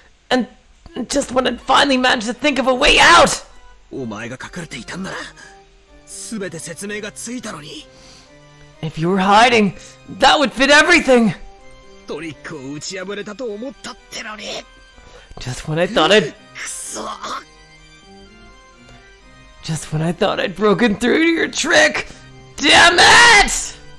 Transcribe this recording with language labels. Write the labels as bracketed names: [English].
[English] And just when I finally managed to think of a way out! [Japanese] お前が隠れていたんなら、すべて説明がついたのに。 [English] If you were hiding, that would fit everything! [Japanese] トリックを打ち破れたと思ったってのに。 [English] Just when I thought I'd... [Japanese] くそ! [English] Just when I thought I'd broken through to your trick! Damn it!